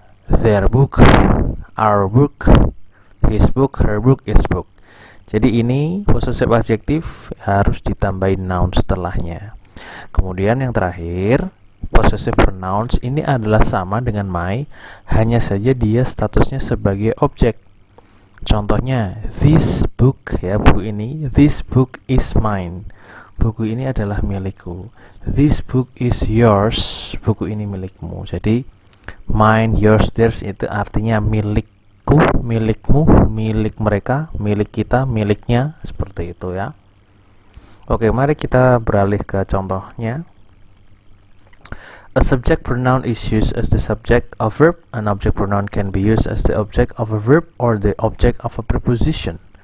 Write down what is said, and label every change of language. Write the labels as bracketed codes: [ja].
[en] Their book, our book, his book, her book, its book. [id] Jadi ini possessive adjective harus ditambahin noun setelahnya. Kemudian yang terakhir, possessive pronouns ini adalah sama dengan my, hanya saja dia statusnya sebagai objek. Contohnya, [en] this book ya, [id] buku ini, [en] this book is mine. [id] Buku ini adalah milikku. [en] This book is yours. [id] Buku ini milikmu. Jadi mine, yours, theirs itu artinya milik. Milikmu, milik mereka, milik kita, miliknya, seperti itu ya. Oke, mari kita beralih ke contohnya. [en] A subject pronoun is used as the subject of verb. An object pronoun can be used as the object of a verb or the object of a preposition.